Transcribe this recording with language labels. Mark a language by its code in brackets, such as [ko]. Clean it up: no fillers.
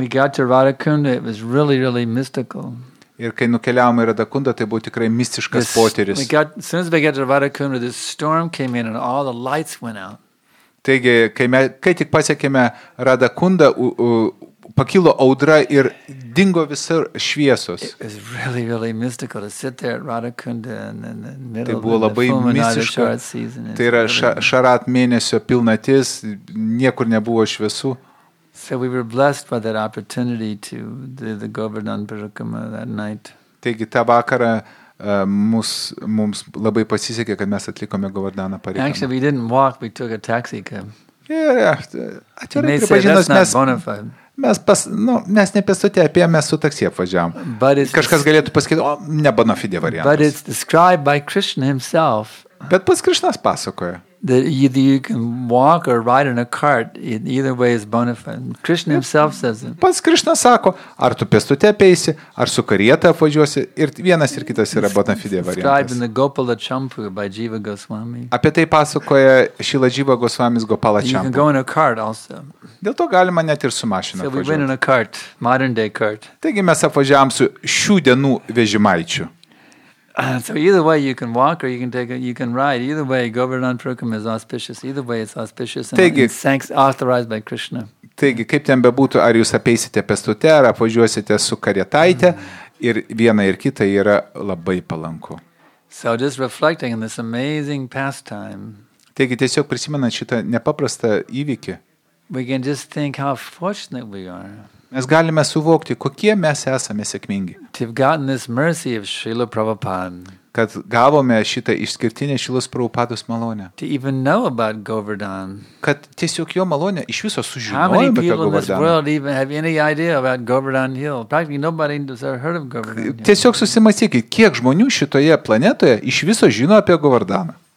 [en] We got to Radhakunda, it was really, really mystical. [lt] Ir kai nukeliavome į Radhakundą, tai buvo tikrai mistiškas potyris. [en] As soon as we got to Radhakunda, this storm came in and all the lights went out. [lt] Taigi, kai tik pasiekėme Radhakundą, pakilo audra ir dingo visur šviesos. [en] It was really, really mystical to sit there at Radhakunda in the middle. [lt] Tai buvo labai mistiška. Tai yra Sharad mėnesio pilnatis, niekur nebuvo šviesų. [en] So we were blessed by that opportunity to do the Govardhan Parikrama that night. [lt] Taigi tą vakarą mums labai pasisekė, kad mes atlikome Govardhana Parikrama. [en] Actually, we didn't walk, we took a taxi cab. [lt] Yeah, atvirai pripažinus, mes ne pėstutė apie, mes su taksi apvažiavom. Kažkas galėtų pasakyti, o ne bonafide variantas. [en] But it's described by Krishna himself. [lt] Bet pas Krishnas pasakoja. [en] That either you can walk or ride in a cart, either way is bona fide. Krishna himself says it. [lt] Pats Krishna sako, ar tu pėstute apeisi, ar su karieta apvažiuosi, ir vienas ir kitas yra bona fide variantas. [en] Described in the Gopala Champu by Jiva Goswami. [lt] Apie tai pasakoja Šila Jiva Goswami's Gopala Champu. [en] You can go in a cart also. [lt] Dėl to galima net ir su mašina apvažiuoti. [en] So we went in a cart, modern day cart. [lt] Taigi mes apvažiavom su šių dienų vežimaičiu. [en] So either way you can walk or you can ride. Either way, Govardhana Parikrama is auspicious. Either way, it's auspicious and, [lt] taigi, [en] and authorized by Krishna. [lt] Taigi, kaip ten bebūtų, ar jūs apeisite pestute, ar apvažiuosite su karietaite, ir viena ir kita yra labai palanku. [en] So just reflecting on this amazing pastime. [lt] Taigi, tiesiog prisimenant šitą nepaprastą įvykį. [en] We can just think how fortunate we are. [lt] Mes galime suvokti, kokie mes esame sėkmingi. [en] We've gotten this mercy of Srila Prabhupada. [lt] Kad gavome šitą išskirtinę Šilos Prabhupados malonę. [en] To even know about Govardhana. [lt] Kad tiesiog jo malonę iš viso sužinojome apie Govardhana. [en] How many people in this world even have any idea about Govardhana Hill? Practically nobody has ever heard of Govardhana Hill. [lt] Tiesiog susimąstykit, kiek žmonių šitoje planetoje iš viso žino apie Govardhana.